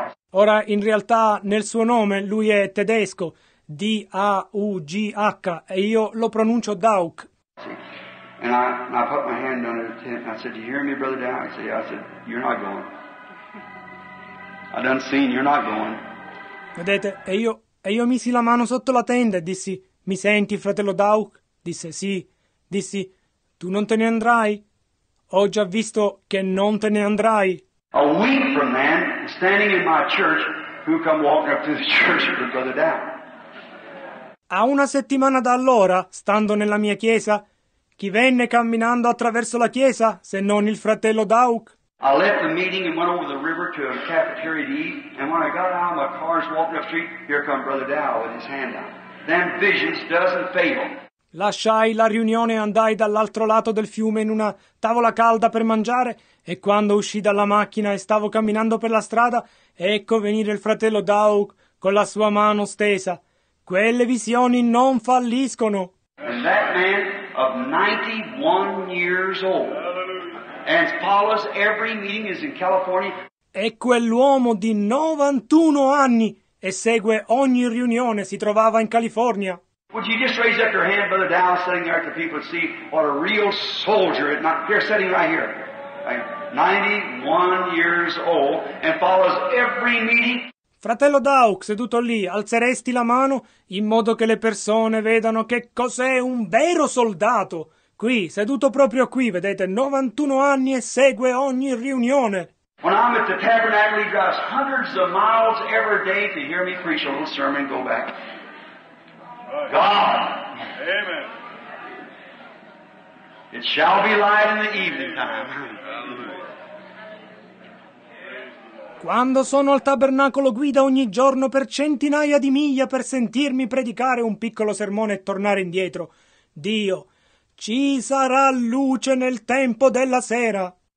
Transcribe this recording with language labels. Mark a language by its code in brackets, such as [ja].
[it] Ora, in realtà, nel suo nome, lui è tedesco, D-A-U-G-H, e io lo pronuncio Dauk. [en] And I put my hand under the tent, and I said, do you hear me, brother Dauk? I said, you're not going. I done seen you're not going. [it] Vedete, e io misi la mano sotto la tenda e dissi: mi senti, fratello Dauk? Disse: sì. Dissi: tu non te ne andrai? Ho già visto che non te ne andrai. [en] A week from then, standing in my church, who come walking up to the church with Brother Dauk? [it] A una settimana da allora, stando nella mia chiesa, chi venne camminando attraverso la chiesa se non il fratello Dauk? [en] I left the meeting and went over the river to a cafeteria to eat, and when I got out, my car's walking up the street, here come Brother Dauk with his hand out. Then visions doesn't fail. [it] Lasciai la riunione e andai dall'altro lato del fiume in una tavola calda per mangiare, e quando uscii dalla macchina e stavo camminando per la strada, ecco venire il fratello Dauk con la sua mano stesa. Quelle visioni non falliscono. [en] And that man of 91 years old, and follows every meeting is in California. [it] E quell'uomo di 91 anni e segue ogni riunione si trovava in California. [en] Would you just raise up your hand, Brother Dow, sitting there at the people to see what a real soldier, not here, sitting right here, right? 91 years old, and follows every meeting. [it] Fratello Dauk, seduto lì, alzeresti la mano in modo che le persone vedano che cos'è un vero soldato. Qui, seduto proprio qui, vedete, 91 anni e segue ogni riunione. [en] When I'm at the tabernacle, he drives hundreds of miles every day to hear me preach a little sermon and go back. God! Amen. It shall be light in the evening time. [it] Quando sono al tabernacolo guida ogni giorno per centinaia di miglia per sentirmi predicare un piccolo sermone e tornare indietro. Dio, ci sarà luce nel tempo della sera.